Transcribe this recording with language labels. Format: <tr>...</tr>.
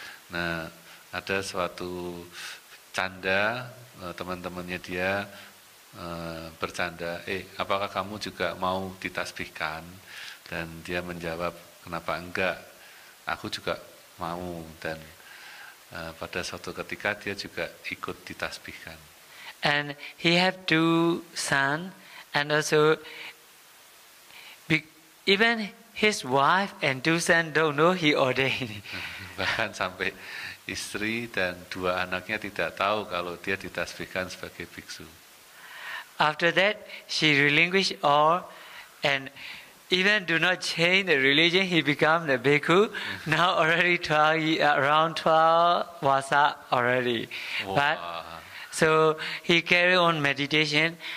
<id>Nah, ada suatu canda teman-temannya dia bercanda, apakah kamu juga mau ditasbihkan? Dan dia menjawab, kenapa enggak? Aku juga mau. Dan pada suatu ketika dia juga ikut ditasbihkan.</id> <en>And he have two son. And also, even his wife and two sons don't know he ordained.</en> <id>Bahkan sampai istri dan dua anaknya tidak tahu kalau dia ditasbihkan sebagai biksu.</id> <en>After that, she relinquished all and even do not change the religion. He become the bhikkhu. Now already 12, around 12 wasa already. Wow. But so he carry on meditation.</en>